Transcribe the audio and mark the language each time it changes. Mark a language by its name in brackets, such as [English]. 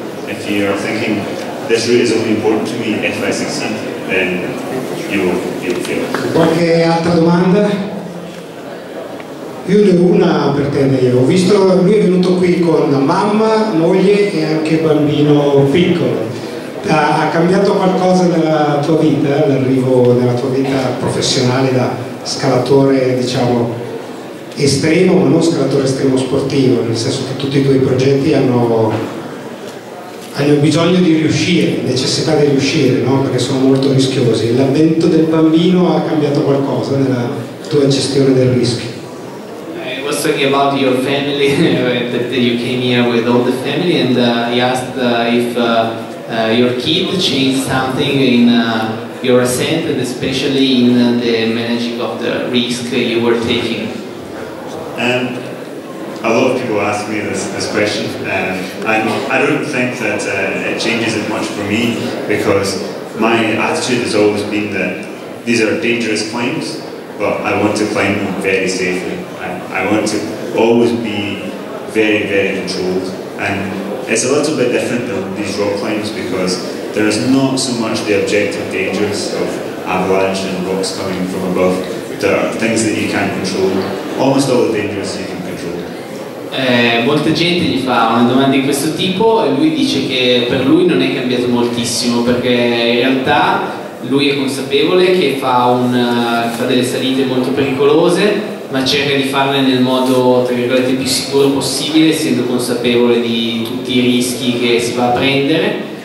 [English] If you're thinking this route is only important to me if I succeed, then you'll fail. [Italian] Qualche altra domanda? Io ne ho una per te, ho visto lui è venuto qui con mamma, moglie e anche bambino piccolo. Ha cambiato qualcosa nella tua vita, l'arrivo nella tua vita professionale da scalatore, diciamo, estremo, ma non scalatore estremo sportivo, nel senso che tutti i tuoi progetti hanno bisogno di riuscire, necessità di riuscire, no? Perché sono molto rischiosi. L'avvento del bambino ha cambiato qualcosa nella tua gestione del rischio. [English] Talking about your family, that you came here with all the family, and he asked if your kid changed something in your ascent, and especially in the managing of the risk you were taking. A lot of people ask me this question, I don't think that it changes it much for me, because my attitude has always been that these are dangerous climbs, but I want to climb them very safely. I want to always be very, very controlled, and it's a little bit different than these rock climbs, because there is not so much the objective dangers of avalanche and rocks coming from above. There are things that you can't control. Almost all the dangers you can control. [Italian] Molta gente gli fa una domanda di questo tipo e lui dice che per lui non è cambiato moltissimo, perché in realtà lui è consapevole che fa delle salite molto pericolose, ma cerca di farle nel modo, tra virgolette, più sicuro possibile, essendo consapevole di tutti i rischi che si va a prendere.